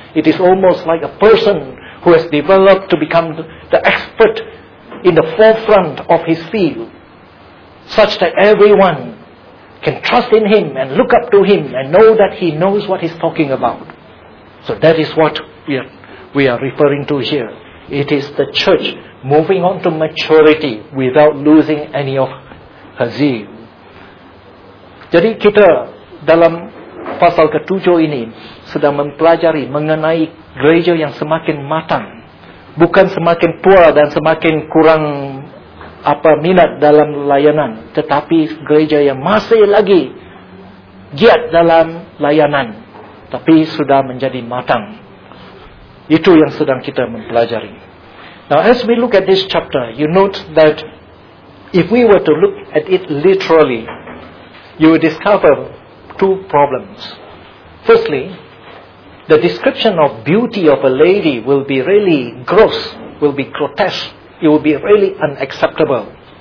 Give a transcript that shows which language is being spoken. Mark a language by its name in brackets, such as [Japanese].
[English] It is almost like a person who has developed to become the expert in the forefront of his field, such that everyone can trust in him and look up to him and know that he knows what he's talking about. So that is what we are referring to here. It is the church moving on to maturity without losing any of her zeal. [Malay] Jadi kita dalam pasal ketujuh ini sedang mempelajari mengenai gereja yang semakin matang, bukan semakin tua dan semakin kurang minat dalam layanan, tetapi gereja yang masih lagi giat dalam layanan tapi sudah menjadi matang. Itu yang sedang kita mempelajari. [English] Now as we look at this chapter, you note that if we were to look at it literally, you will discover two problems. Firstly, the description of beauty of a lady will be really gross, will be grotesque, it will be really unacceptable.